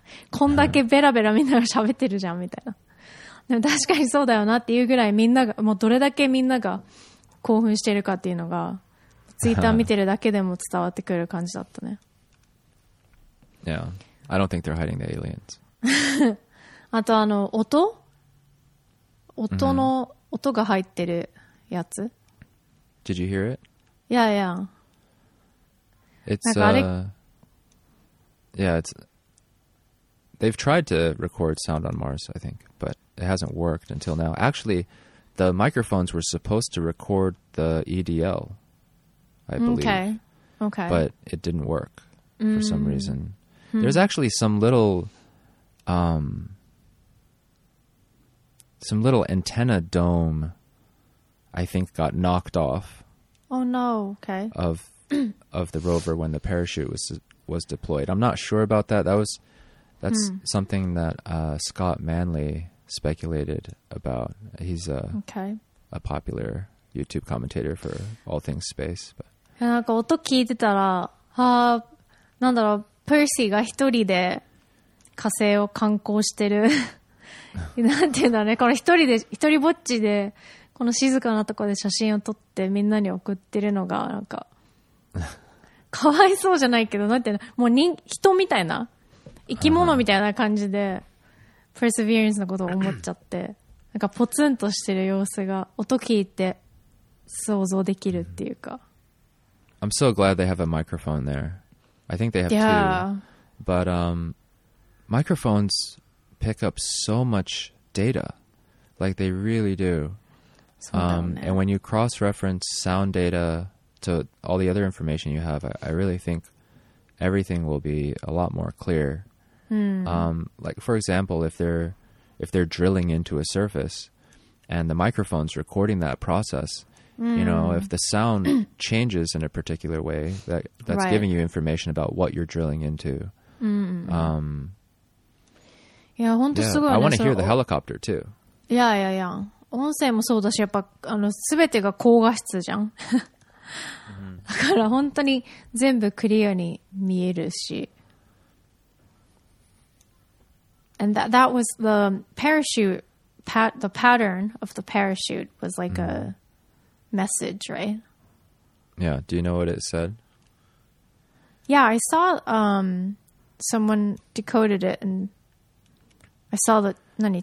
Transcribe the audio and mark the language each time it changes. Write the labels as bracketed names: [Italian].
[Japanese] こんだけベラベラみんなが喋ってるじゃんみたいな。でも確かにそうだよなっていうぐらいみんなが、もうどれだけみんなが興奮してるかっていうのが、ツイッター見てるだけでも伝わってくる感じだったね。 [English] Yeah. I don't think they're hiding the aliens. [Japanese] あとあの、音の、音が入ってるやつ。 [English] Did you hear it? Yeah, yeah. It's, yeah, it's, they've tried to record sound on Mars, I think, but it hasn't worked until now. Actually, the microphones were supposed to record the EDL. I believe. Okay. But it didn't work for some reason. There's actually some little antenna dome, I think, got knocked off. Oh no, okay. Of the rover when the parachute was deployed. I'm not sure about that. That's something that Scott Manley speculated about. He's a popular YouTube commentator for all things space, but. [Japanese] なんか音聞いてたら、なんだろう、パーシーが一人で火星を観光してる。なんて言うんだろうね。この一人ぼっちで、この静かなとこで写真を撮ってみんなに送ってるのが、なんか、かわいそうじゃないけど、なんて言うの、もう人みたいな、生き物みたいな感じで、パーシビアランスのことを思っちゃって、なんかポツンとしてる様子が、音聞いて想像できるっていうか、 [English] I'm so glad they have a microphone there. I think they have two. But microphones pick up so much data. Like they really do. And when you cross-reference sound data to all the other information you have, I really think everything will be a lot more clear. Like for example, if they're drilling into a surface and the microphone's recording that process... You know, if the sound changes in a particular way, that's right. giving you information about what you're drilling into. [Japanese] いや、本当すごいね。 [English] I want to hear the helicopter too. Yeah, yeah, yeah. [Japanese] 音声もそうだし、やっぱあの全てが高画質じゃん。だから本当に全部クリアに見えるし。 [English] And that was the parachute, the pattern of the parachute was like a message, right? Yeah, do you know what it said? Yeah, I saw someone decoded it and I saw the [Japanese] 何?